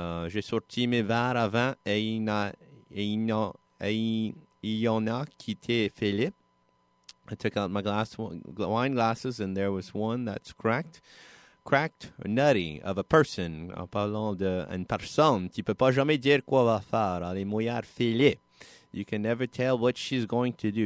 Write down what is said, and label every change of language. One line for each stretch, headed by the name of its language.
French: J'ai sorti mes verres à vin et il y en a qui étaient fêlés.
English: I took out my wine glasses and there was one that's cracked. Cracked, nutty, of a person.
French: En parlant d'une personne, tu ne peux pas jamais dire quoi va faire. Elle est mouillard fêlée.
English: You can never tell what she's going to do.